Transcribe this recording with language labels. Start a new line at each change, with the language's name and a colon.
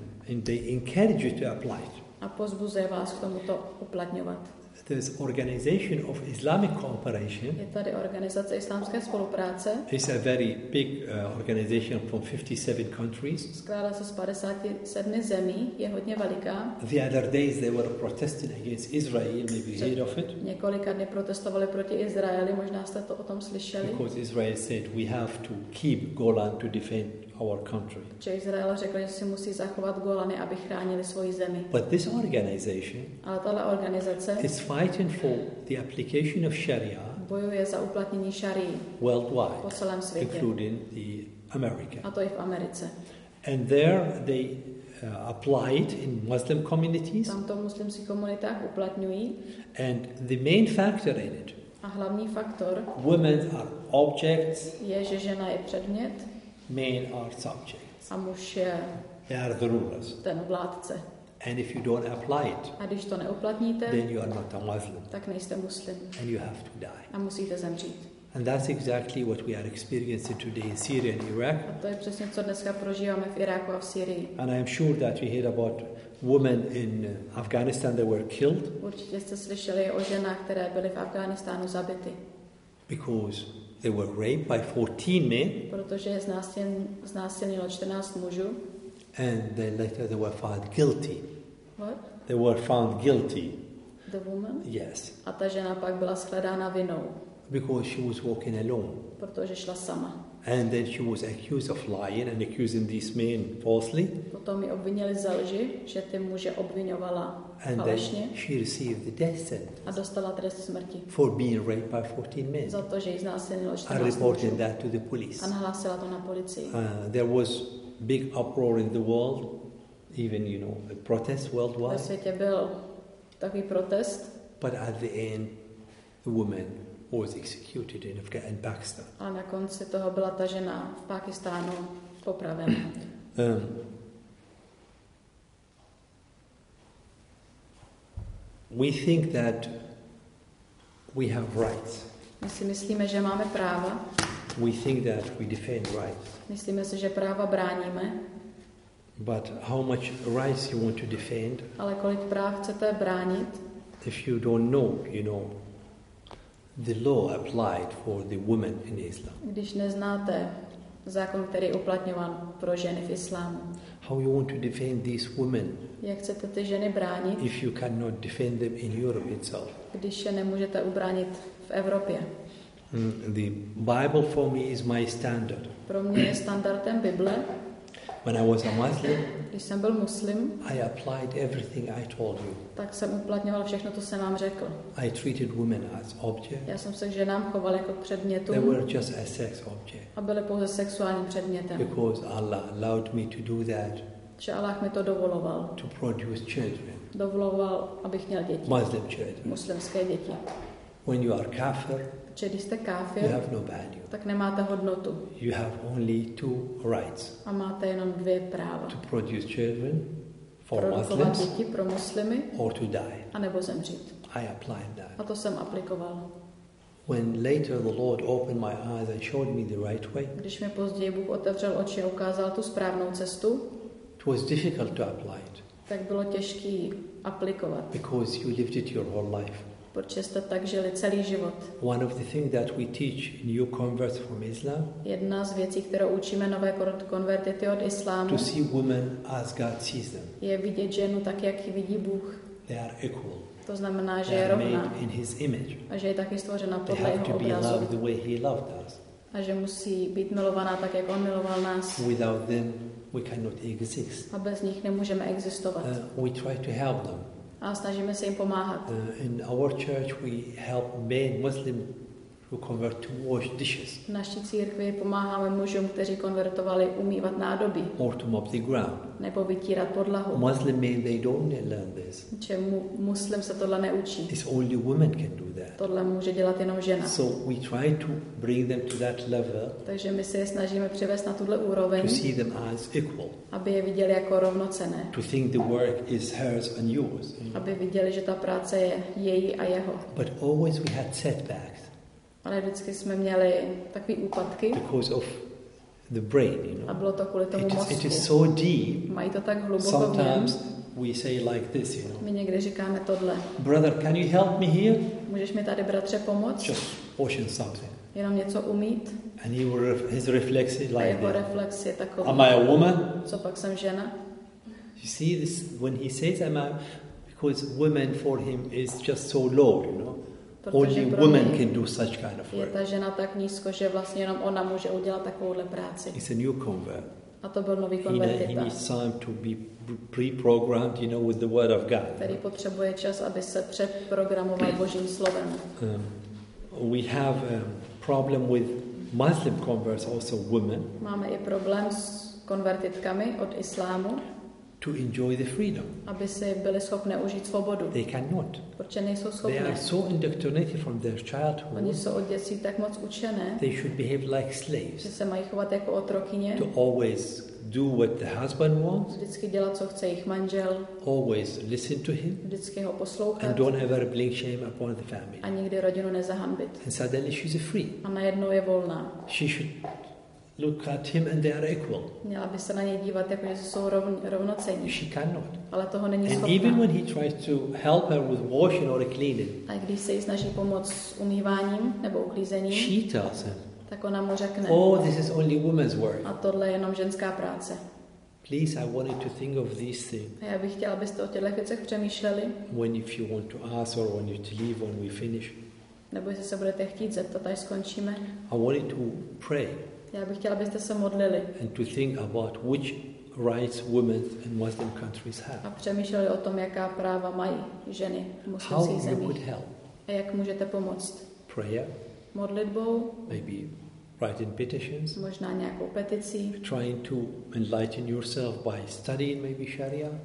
English: And they encourage you to apply it.
Czech: A pozbuzuje vás k tomu to uplatňovat.
English: This organization of Islamic cooperation.
Czech: Je tady organizace islámské spolupráce.
English: It's a very big organization from 57 countries.
Czech: Skládá se z 57 zemí, je hodně veliká.
English: The other days they were protesting against Israel, maybe heard of it.
Czech: Několika dny protestovali proti Izraeli, možná jste to o tom slyšeli.
English: Because Israel said we have to keep Golan to defend our country.
Czech: Že Izrael řekl, že si musí zachovat Golany, aby chránili svoji zemi.
English: But this organization,
Czech: ale tato organizace,
English: is fighting for the application of Sharia.
Czech: Bojuje za uplatnění Šarii.
English: Worldwide,
Czech: po celém světě,
English: including the America.
Czech: A to i v Americe.
English: And there they apply it in Muslim communities.
Czech: Tam to muslimské komunity uplatňují.
English: And the main factor in it.
Czech: A hlavní faktor.
English: Women are objects.
Czech: Je, že žena je předmět.
English: Men are subjects.
Czech: A muž je,
English: they are the rulers.
Czech: Ten vládce.
English: And if you don't apply it,
Czech: a když to neuplatníte,
English: then you are not a Muslim.
Czech: Tak nejste muslim.
English: And you have to die.
Czech: A musíte zemřít.
English: And that's exactly what we are experiencing today in Syria and Iraq.
Czech: A to je přesně, co dneska prožíváme v Iráku a v Syrii.
English: And I am sure that you heard about women in Afghanistan that were killed.
Czech: Určitě jste slyšeli o ženách, které byly v Afghánistánu zabity.
English: Because they were raped by 14 men.
Czech: Protože znásilnilo 14 mužů.
English: And then later they were found guilty. What? They were found guilty. The woman? Yes.
Czech: A ta žena pak byla shledána vinou.
English: Because she was walking alone.
Czech: Protože šla sama.
English: And then she was accused of lying and accusing these men falsely.
Czech: Potom ji obvinili ze lži, že ty muže obvinovala falešně.
English: And then she received the death sentence.
Czech: A dostala trest smrti.
English: For being raped by 14 men.
Czech: Za to, že jí znásilnilo 14 mužů.
English: I reported that to the police.
Czech: A nahlásila to na policii.
English: There was big uproar in the world, even, you know, a protest worldwide.
Czech: Ve světě byl takový protest.
English: But at the end, the woman was executed in Afghanistan, Pakistan.
Czech: A na konci toho byla ta žena v Pakistánu popravena.
English: We think that we have rights.
Czech: My si myslíme, že máme práva.
English: We think that we defend rights.
Czech: Myslíme si, že práva bráníme.
English: But how much rights you want to defend?
Czech: Ale kolik práv chcete bránit?
English: If you don't know, you know, the law applied for the women in Islam.
Czech: Když neznáte zákon, který je uplatňován pro ženy v islámu.
English: How you want to defend these women?
Czech: Jak chcete ty ženy bránit?
English: If you cannot defend them in Europe itself.
Czech: Když je nemůžete ubránit v Evropě.
English: The Bible for me is my standard.
Czech: Pro mě je standardem Bible.
English: When I was a Muslim,
Czech: když jsem byl muslim,
English: I applied everything I told you.
Czech: Tak jsem uplatňoval všechno, co jsem vám řekl.
English: I treated women as objects.
Czech: Já jsem se k ženám choval jako předmětům.
English: They were just a sex object.
Czech: A byly pouze sexuálním předmětem.
English: Because Allah allowed me to do that.
Czech: Že Allah mi to dovoloval.
English: To produce children.
Czech: Dovoloval, abych měl děti.
English: Muslim children.
Czech: Muslimské děti.
English: When you are kafir,
Czech: protože když jste kafir,
English: you have no value.
Czech: Tak nemáte hodnotu.
English: You have only two rights.
Czech: A máte jenom dvě práva.
English: To produce children for Muslims,
Czech: děti pro muslimy,
English: or to die.
Czech: A nebo zemřít.
English: I applied that.
Czech: A to jsem aplikoval.
English: When later the Lord opened my eyes and showed me the right way.
Czech: Když mi později Bůh otevřel oči a ukázal tu správnou cestu.
English: It was difficult to apply it.
Czech: Tak bylo těžký aplikovat.
English: Because you lived it your whole life.
Czech: Protože jste tak žili celý život.
English: One of the things that we teach new converts from Islam.
Czech: Jedna z věcí, kterou učíme nové konvertity od islámu.
English: To see women as God sees them.
Czech: Je vidět ženu tak, jak ji vidí Bůh.
English: They are equal.
Czech: To znamená, že
English: they
Czech: je rovná.
English: Are made in his image.
Czech: A že je taky stvořena podle jeho obrazu.
English: They have to be loved the way he loved us.
Czech: A že musí být milovaná tak, jak on miloval nás.
English: Without them, we cannot exist.
Czech: A bez nich nemůžeme existovat.
English: We try to help them.
Czech: A snažíme se jim pomáhat.
English: In our church we help men Muslims who convert to wash dishes.
Czech: V naší církvi pomáháme mužům, kteří konvertovali, umývat nádoby.
English: Or to mop the ground.
Czech: Nebo vytírat podlahu.
English: Muslim men, they don't learn this.
Czech: Čemu muslim se tohle neučí?
English: It's only women can do that.
Czech: Tohle může dělat jenom žena.
English: So we try to bring them to that level.
Czech: Takže my se je snažíme přivést na tuhle úroveň.
English: To see them as equal.
Czech: Aby je viděli jako rovnocenné.
English: To think the work is hers and yours.
Czech: Aby viděli, že ta práce je její a jeho.
English: But always we had setbacks.
Czech: Ale vždycky jsme měli takové úpadky.
English: Because of the brain, you know.
Czech: A bylo to kvůli tomu mozku.
English: It is so deep.
Czech: Mají to tak hluboko.
English: Sometimes we say like this, you know.
Czech: My někdy říkáme tohle.
English: Brother, can you help me here?
Czech: Můžeš mi tady, bratře, pomoct?
English: Just washing something.
Czech: Jenom něco umít.
English: And he his reflex is like that.
Czech: A jeho reflex je takový.
English: Am I a woman?
Czech: Co pak jsem žena?
English: You see this when he says I'm a, because women for him is just so low, you know.
Czech: Protože
English: only women can do such kind of work.
Czech: Je ta žena tak nízko, že vlastně jenom ona může udělat takovouhle práci.
English: He's a new convert.
Czech: A to byl nový konvertita.
English: He needs time to be pre-programmed, you know, with the word of God.
Czech: Který potřebuje čas, aby se přeprogramoval Božím slovem.
English: We have a problem with Muslim converts, also women.
Czech: Máme i problém s konvertitkami od islámu.
English: To enjoy the freedom.
Czech: Aby si byli schopné užít svobodu.
English: They cannot.
Czech: Protože nejsou schopné.
English: They are so indoctrinated from their childhood.
Czech: Oni jsou od dětí tak moc učené.
English: They should behave like slaves.
Czech: Že se mají chovat jako otrokyně.
English: To always do what the husband wants.
Czech: Vždycky dělat, co chce jich manžel.
English: Always listen to him.
Czech: Vždycky ho poslouchat.
English: And don't ever bring shame upon the family.
Czech: A nikdy rodinu nezahanbit.
English: And suddenly she's free.
Czech: A najednou je volná.
English: She should look at him and they are equal.
Czech: Měla by se na něj dívat, jako že jsou rovnocenní.
English: She cannot.
Czech: Ale toho není schopná.
English: And even when he tries to help her with washing or cleaning.
Czech: A když se jí snaží pomoct s umýváním nebo uklízením.
English: She tells him.
Czech: Tak ona mu řekne.
English: Oh, this is only woman's work.
Czech: A tohle je jenom ženská práce.
English: Please, I wanted to think of these things.
Czech: A já bych chtěla, abyste o těchto věcech přemýšleli.
English: When if you want to ask or when you to leave when we finish.
Czech: Nebo jestli se budete chtít zeptat, až skončíme.
English: I wanted to pray.
Czech: Já bych chtěla, abyste se modlili.
English: And to think about which rights women in Muslim countries have.
Czech: A přemýšleli o tom, jaká práva mají ženy v muslimských zemích.
English: How you could help?
Czech: A jak můžete pomoct?
English: Prayer.
Czech: Modlitbou.
English: Maybe writing petitions.
Czech: Možná nějakou petici.
English: Trying to enlighten yourself by studying maybe Sharia.